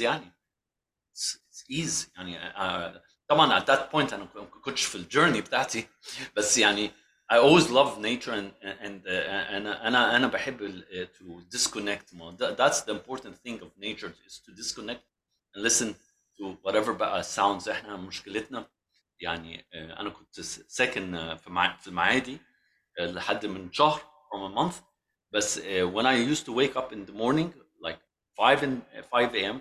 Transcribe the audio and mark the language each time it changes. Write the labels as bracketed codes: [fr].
[ar] يعني [en] it's ease. [ar] يعني طبعا [en] at that point [ar] انا ما كنتش في الجيرني بتاعتي، بس يعني [en] I always love nature and [ar] انا بحب [en] to disconnect more. That's the important thing of nature, is to disconnect and listen to whatever [ar] بقى [en] sounds. [ar] احنا مشكلتنا يعني انا كنت ساكن في المعادي لحد من شهر [en] from a month. [ar] بس [en] when I used to wake up in the morning like 5 a.m.